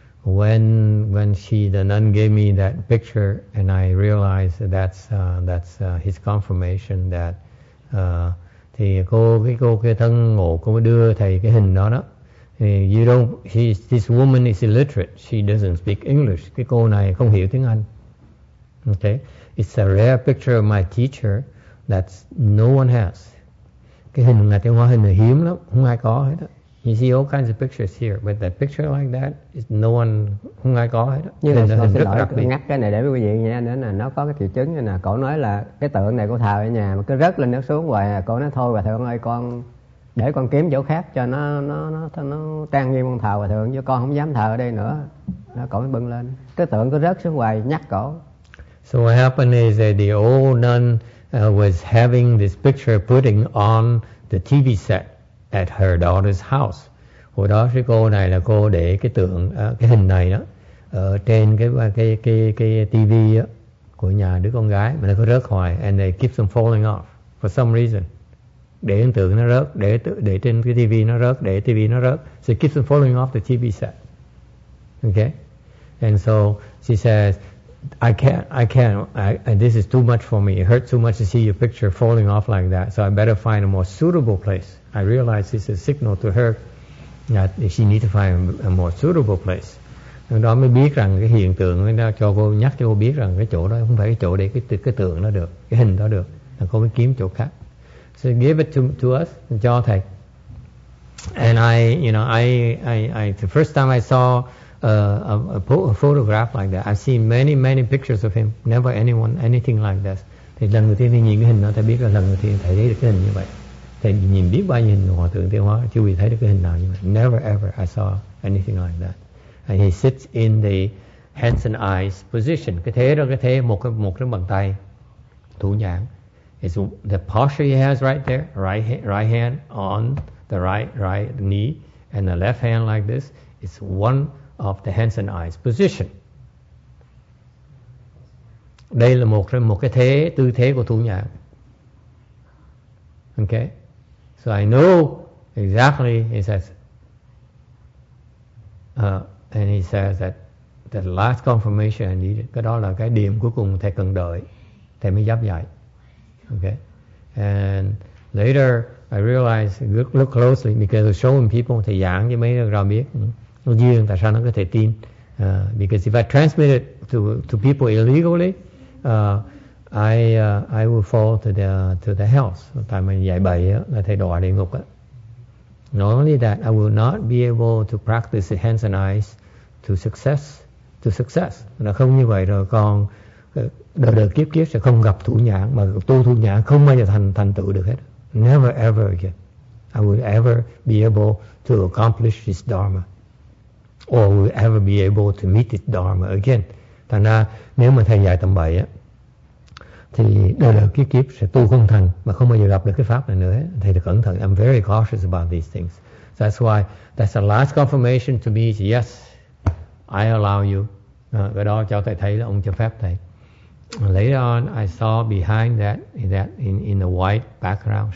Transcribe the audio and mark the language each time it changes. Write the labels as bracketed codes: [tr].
[en] When she, the nun, gave me that picture, and I realized that's his confirmation that [vi] thì cô cái thân ngộ cô mới đưa thầy cái hình đó đó. [en] You don't, this woman is illiterate. She doesn't speak English. [vi] Cái cô này không hiểu tiếng Anh. [en] Okay, it's a rare picture of my teacher that no one has. [vi] Cái hình ngài Thiện Hóa hình này hiếm lắm, không ai có hết đó. [en] You see all kinds of pictures here, but that picture like that is no one, [vi] không ai có hết. Như là xin lỗi, tôi ngắt cái này để quý vị nha, nên là nó có cái triệu chứng như là cổ nói là cái tượng này của thờ ở nhà mà cứ rớt lên nó xuống hoài, cổ nói thôi bà thượng ơi, con để con kiếm chỗ khác cho nó trang nghiêm con thờ bà thượng, chứ con không dám thờ ở đây nữa. Nó cổ mới bưng lên, cái tượng cứ rớt xuống hoài, nhắc cổ. [en] So what happened is that the old nun was having this picture putting on the TV set at her daughter's house. [vi] Hồi đó cái cô này là cô để cái tượng cái hình này đó ở trên cái TV đó, của nhà đứa con gái mà nó cứ rớt hoài, [en] and they keep on falling off for some reason. [vi] Để hình tượng nó rớt, để trên cái TV nó rớt, để TV nó rớt, [en] so it keeps on falling off the TV set. Okay? And so she says, I can't, this is too much for me. It hurts too much to see your picture falling off like that. So I better find a more suitable place. I realize this is a signal to her that she needs to find a more suitable place. [vi] Lúc đó mới biết rằng cái hiện tượng nó cho cô, nhắc cho cô biết rằng cái chỗ đó không phải cái chỗ để cái tượng nó được, cái hình đó được. Là cô mới kiếm chỗ khác. [en] So give it to us, [vi] cho thầy. [en] And I, the first time I saw a photograph like that. I've seen many, many pictures of him. Never anyone, anything like this. [vi] Thì lần đầu tiên thì nhìn cái hình đó, thầy biết là lần đầu tiên thầy thấy được cái hình như vậy. Thầy nhìn biết bao nhiêu hình hòa thượng Thiện Hóa, chưa bị thấy được cái hình nào như vậy. [en] Never ever I saw anything like that. And he sits in the hands and eyes position. [vi] Cái thế đó, cái thế một cái bàn tay thủ nhãn. [en] It's the posture he has right there, right hand on the right knee, and the left hand like this. It's one of the hands and eyes position. [vi] Đây là một cái thế, tư thế của thủ nhãn. [en] Okay? So I know exactly, he says. And he says that the last confirmation I needed, [vi] cái đó là cái điểm cuối cùng thầy cần đợi, thầy mới dám dạy. Okay? [en] And later I realized, look closely, because I'm showing people, [vi] thầy giảng cho mấy người biết. Nó duyên, tại sao nó có thể tin? [en] Because if I transmit it to people illegally, I will fall to the hells. [vi] Tại mình dạy bậy là thầy đọa địa ngục. [en] Not only that, I will not be able to practice the hands and eyes to success. [vi] Nó không như vậy rồi, còn đời đời kiếp kiếp sẽ không gặp thủ nhãn, mà tu thủ nhãn không bao giờ thành tựu được hết. [en] Never ever again, I will ever be able to accomplish this dharma. Or will ever be able to meet this dharma again. [vi] Thành ra nếu mà thầy dạy tầm bậy á, thì đời đời kiếp kiếp sẽ tu không thành mà không bao giờ gặp được cái pháp này nữa. Thầy phải cẩn thận. [en] I'm very cautious about these things. That's why that's the last confirmation to me is yes, I allow you. [vi] Cái đó cho thầy thấy là ông cho phép thầy. [en] Later on, I saw behind that in the white background.